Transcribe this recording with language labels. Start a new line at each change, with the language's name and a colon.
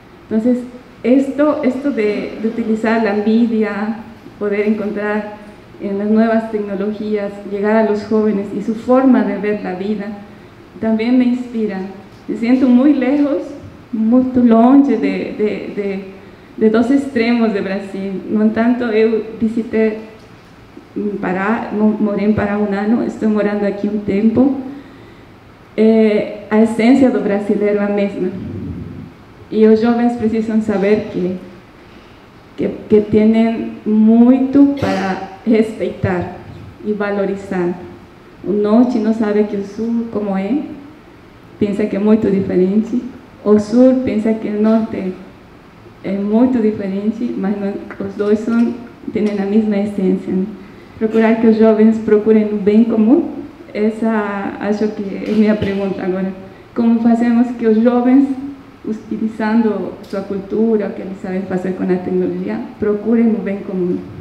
Spanish: Entonces, esto de utilizar la media, poder encontrar en las nuevas tecnologías, llegar a los jóvenes y su forma de ver la vida, también me inspira. Me siento muy lejos, muy longe de dos extremos de Brasil. No tanto, yo visité Pará, morí en Pará un año, estoy morando aquí un tiempo.
Portuguese: A esencia do brasileiro é a mesma, e os jovens precisam saber que têm muito para respeitar e valorizar. O norte não sabe que o sul como é, pensa que é muito diferente, o sul pensa que o norte é muito diferente, mas não, os dois são, têm a mesma essência, né? Procurar que os jovens procurem o bem comum.
Spanish: Esa,
Portuguese: acho que
Spanish: es mi pregunta ahora. ¿Cómo hacemos que los jóvenes, utilizando su cultura, que les saben hacer con la tecnología, procuren un bien común?